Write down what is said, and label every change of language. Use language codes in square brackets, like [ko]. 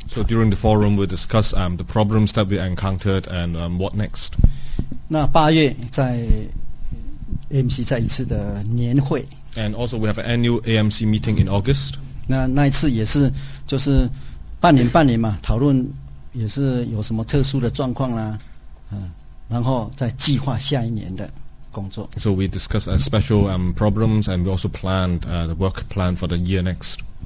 [en] So during the forum we discuss the problems that we encountered and what next. [zh] 那八月在 AMC 再一次的年会。 [en] And also we have an annual AMC meeting in August. [zh] 那一次也是就是半年嘛，讨论也是有什么特殊的状况啦，然后再计划下一年的工作。 [en] So we discuss a special problems and we also planned the work plan for the year next.